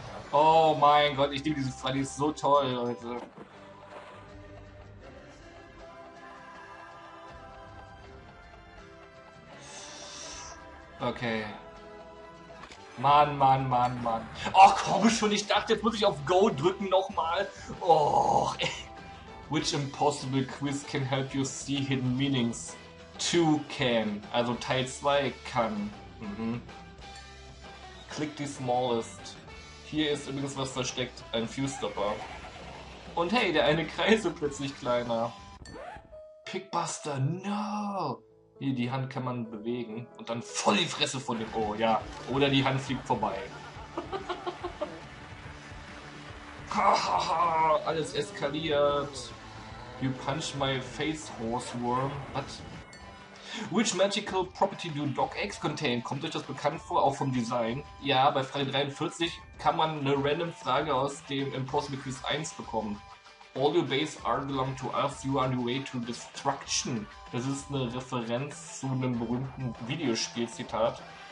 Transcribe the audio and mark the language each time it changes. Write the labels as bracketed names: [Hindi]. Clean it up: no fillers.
[German] Oh mein Gott, ich liebe diese Frage, die ist so toll, Leute. Okay. Mann, Mann, Mann, Mann. Oh, komm schon, ich dachte, jetzt muss ich auf Go drücken nochmal. Oh, ey. [English] Which impossible quiz can help you see hidden meanings? 2 can. [German] Also Teil 2 kann. Mhm. [English] Click the smallest. [German] Hier ist übrigens was versteckt, ein Fuse-Stopper. Und hey, der eine Kreis ist plötzlich kleiner. Pickbuster, no! Hier, die Hand kann man bewegen und dann voll die Fresse von dem Ohr, ja. Oder die Hand fliegt vorbei. Hahaha, alles eskaliert. [English] You punch my face, horse worm. What? Which magical property do dog eggs contain? [German] Kommt euch das bekannt vor, auch vom Design? Ja, bei Frage 43 kann man eine random Frage aus dem Impossible Quiz 1 bekommen. [English] All your base are belong to Earth, you are on your way to destruction. [German] Das ist eine Referenz zu einem berühmten Videospiel-Zitat.